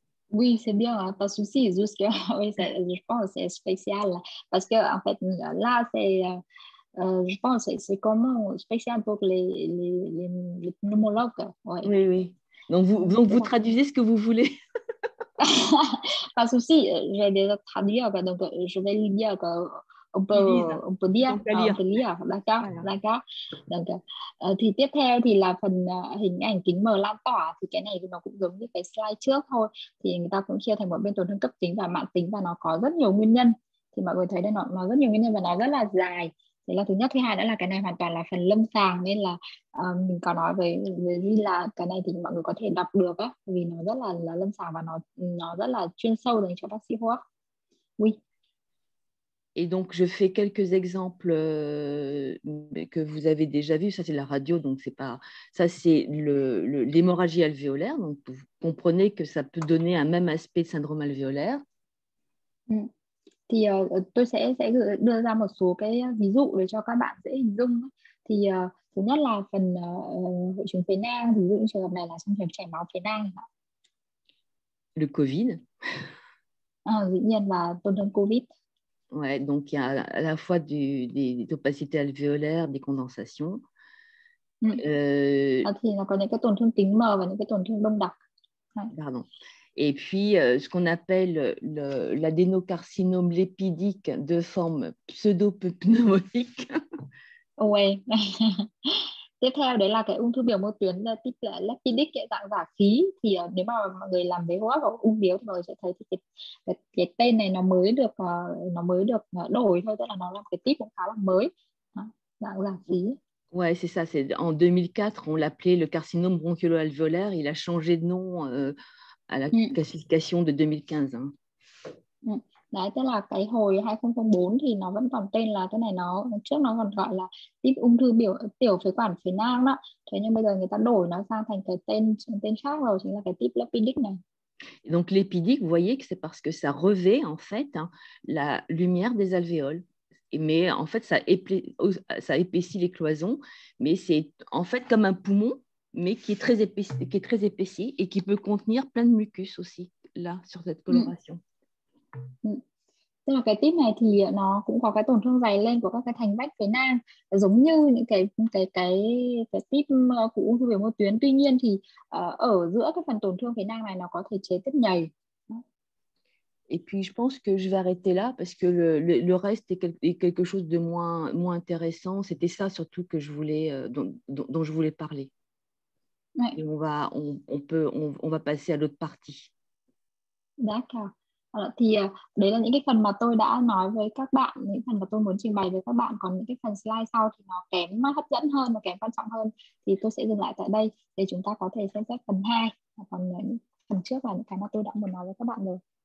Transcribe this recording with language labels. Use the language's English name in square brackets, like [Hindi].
[French] Oui, c'est bien, hein, pas de souci, juste que oui, je pense c'est spécial parce que en fait là c'est je pense c'est comment spécial pour les pneumologues, ouais. Oui. Donc vous traduisez ce que vous voulez. Pas de souci, j'ai déjà traduit, donc je vais lui dire qu'on Ils lisent. peut on peut lire, Donc à lire. d'accord Voilà. d'accord donc [Vietnamese] thì tiếp theo thì là phần hình ảnh kính mờ lan tỏa, thì cái này thì nó cũng giống như cái slide trước thôi, thì người ta cũng chia thành một bên tổn thương cấp tính và mãn tính, và nó có rất nhiều nguyên nhân. Thì mọi người thấy đây nó rất nhiều nguyên nhân và nó rất là dài. Thế là thứ nhất, thứ hai đó là cái này hoàn toàn là phần lâm sàng, nên là mình có nói với là cái này thì mọi người có thể đọc được á, vì nó rất là lâm sàng và nó rất là chuyên sâu dành cho bác sĩ hô hấp. [French] Oui. Et donc, je fais quelques exemples que vous avez déjà vus. Ça, c'est la radio, donc c'est pas. Ça, c'est l'hémorragie alvéolaire. Donc, vous comprenez que ça peut donner un même aspect de syndrome alvéolaire. [Vietnamese] Thì tôi sẽ đưa ra một số cái ví dụ để cho các bạn dễ hình dung. Thì thứ nhất là phần hội chứng phế nang, ví dụ trường hợp này là xâm lấn chảy máu phế nang. [French] Le Covid. Ah, oui, il y a la pendant COVID. Ouais, donc il y a à la fois des opacités alvéolaires, des condensations. [Vietnamese] À thì là có những cái tổn thương tính mờ và những cái tổn thương đông đặc. [French] Pardon. Et puis, ce qu'on appelle l'adénocarcinome lipidique de forme pseudo-pneumotique. Ouais. [Vietnamese] Tiếp theo đấy là cái ung thư biểu mô tuyến là tiếp là lipidic cái dạng giả khí, thì nếu mà mọi người làm về hô hấp hoặc ung biếu thì mọi người sẽ thấy cái tên này nó mới được đổi thôi, tức là nó là cái típ cũng khá là mới dạng giả khí. [French] Ouais, c'est ça. C'est en 2004, on l'appelait le carcinome bronchioalvéolaire. Il a changé de nom à la classification de 2015. Hein. [Vietnamese] Đấy, tức là cái hồi 2004 thì nó vẫn còn tên là cái này, nó trước nó còn gọi là típ ung thư biểu tiểu phế quản phế nang đó. Thế nhưng bây giờ người ta đổi nó sang thành cái tên khác rồi, chính là cái típ lipidic này. [French] Donc lipidique, vous voyez que c'est parce que ça revêt en fait hein, la lumière des alvéoles. Mais en fait, ça épaissit les cloisons, mais c'est en fait comme un poumon, mais qui est très épaissi et qui peut contenir plein de mucus aussi, là, sur cette coloration. [Vietnamese] Tức là cái type này thì nó cũng có cái tổn thương dày lên của các cái thành vách phế nang giống như những cái type của ung thư biểu mô tuyến. Tuy nhiên thì ở giữa cái phần tổn thương phế nang này nó có thể chế tiết nhầy. [French] Et puis, je pense que je vais arrêter là parce que le reste est quelque chose de moins intéressant. C'était ça surtout que je voulais dont je voulais parler. Et on va passer à l'autre partie. D'accord. [Vietnamese] Alors, thì đấy là những cái phần mà tôi đã nói với các bạn, những phần mà tôi muốn trình bày với các bạn. Còn những cái phần slide sau thì nó kém hấp dẫn hơn và kém quan trọng hơn, thì tôi sẽ dừng lại tại đây để chúng ta có thể xem xét phần 2. Còn những phần trước là những cái mà tôi đã muốn nói với các bạn rồi.